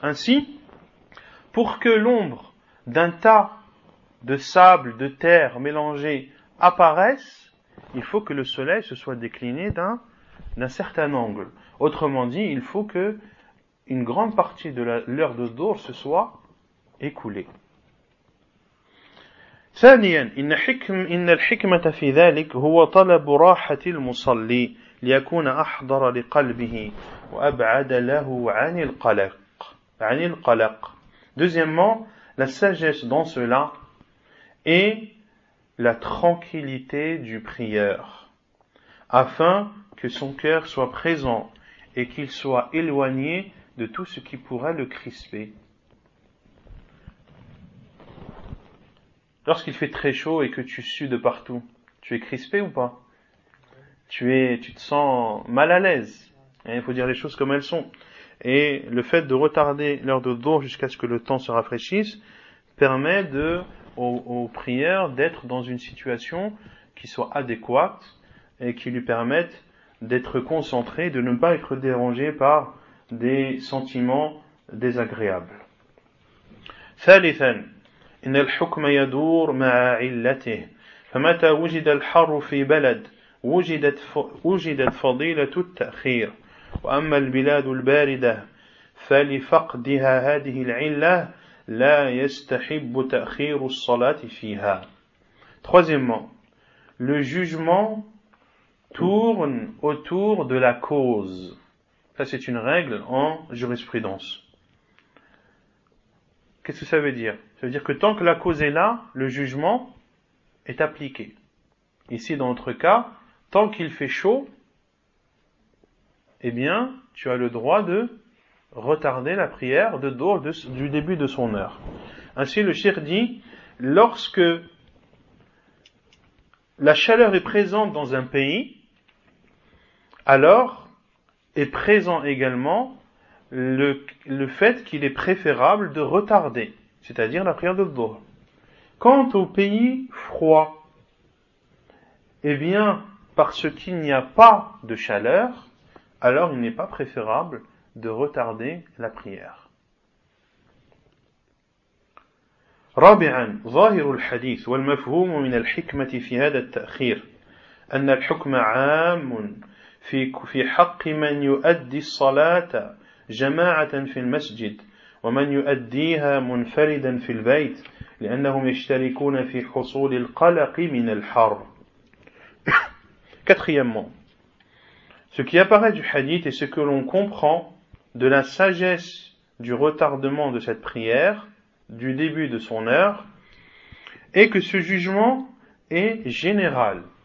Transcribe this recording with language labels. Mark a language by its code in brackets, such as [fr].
[fr] Ainsi, pour que l'ombre d'un tas de sable, de terre mélangée apparaissent, il faut que le soleil se soit décliné d'un certain angle. Autrement dit, il faut que une grande partie de l'heure de dhuhr se soit écoulée. [ar] ثانياً إن الحكمة في ذلك هو طلب راحة المصلي ليكون أحضر لقلبه وأبعد له عن القلق. عن القلق. [fr] Deuxièmement, la sagesse dans cela est la tranquillité du prieur, afin que son cœur soit présent et qu'il soit éloigné de tout ce qui pourrait le crisper. Lorsqu'il fait très chaud et que tu sues de partout, tu es crispé ou pas? Tu te sens mal à l'aise. Il faut dire les choses comme elles sont. Et le fait de retarder l'heure de dhuhr jusqu'à ce que le temps se rafraîchisse permet aux prieurs d'être dans une situation qui soit adéquate et qui lui permette d'être concentré, de ne pas être dérangé par des sentiments désagréables. [ar] ثالثاً إن الحكم يدور مع علته فمتى وجد الحر في بلد وجدت فضيلة التأخير وأما البلاد الباردة فلفقدها هذه العلة لا يستحب تأخير الصلاة فيها. [fr] Troisièmement, le jugement tourne autour de la cause. Ça, c'est une règle en jurisprudence. Qu'est-ce que ça veut dire? Ça veut dire que tant que la cause est là, le jugement est appliqué. Ici, dans notre cas, tant qu'il fait chaud, eh bien, tu as le droit de retarder la prière de dos du début de son heure. Ainsi, le cheikh dit, lorsque la chaleur est présente dans un pays, alors est présent également le fait qu'il est préférable de retarder, c'est-à-dire la prière de dos. Quant au pays froid, eh bien, parce qu'il n'y a pas de chaleur, alors il n'est pas préférable de retarder la prière. [ar] Rabi'an, ظاهر الحديث والمفهوم من الحكمة في هذا التأخير أن الحكم عام في حق من يؤدي الصلاة جماعة في المسجد ومن يؤديها منفردا في البيت لأنهم يشتركون في حصول القلق من الحر. [fr] Quatrièmement, ce qui apparaît du hadith et ce que l'on comprend de la sagesse du retardement de cette prière, du début de son heure, est que ce jugement est général.